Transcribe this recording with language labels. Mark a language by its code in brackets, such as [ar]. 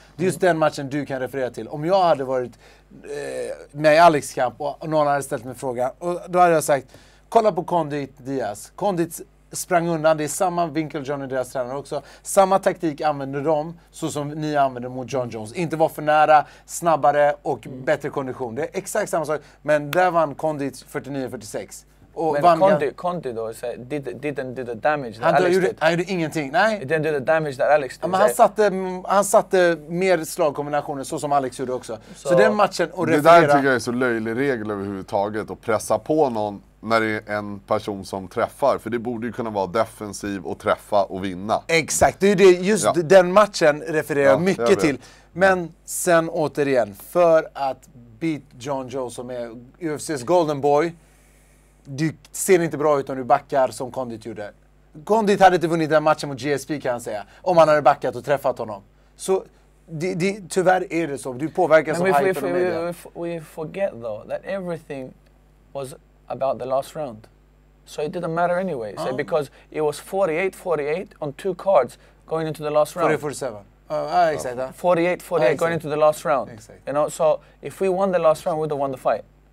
[sv] Det är just den matchen du kan referera till. Om jag hade varit med i Alex kamp och någon hade ställt mig frågan, och då hade jag sagt, kolla på Condit Diaz. Condit sprang undan, det är samma vinkel John och deras tränare också. Samma taktik använder de, så som ni använder mot John Jones. Inte vara för nära, snabbare och bättre kondition. Det är exakt samma sak, men där vann Condit 49-46. Och men Condit då, [en] didn't do the damage that Alex did. [sv] Han gjorde ingenting, nej. [en] He didn't do the damage that Alex did. [sv] Men han satte mer slagkombinationer, så som Alex gjorde också. Så den matchen och referera. Det där tycker jag är så löjlig regel överhuvudtaget, att pressa på någon när det är en person som träffar. För det borde ju kunna vara defensiv och träffa och vinna. Exakt, det är det, just den matchen refererar mycket till. Men sen återigen, för att beat John Jones som är UFC's golden boy. Du ser inte bra ut om du backar som Condit gjorde. Condit hade inte vunnit den matchen mot GSP kan han säga. Om han hade backat och träffat honom. Så tyvärr är det så. Du påverkas av hype och media. [en] We forget though that everything was about the last round. So it didn't matter anyway. So because it was 48-48 on 2 cards going into the last round. 40-47. Exactly. 48-48 going into the last round. Exactly. You know, so if we won the last round, we'd have won the fight.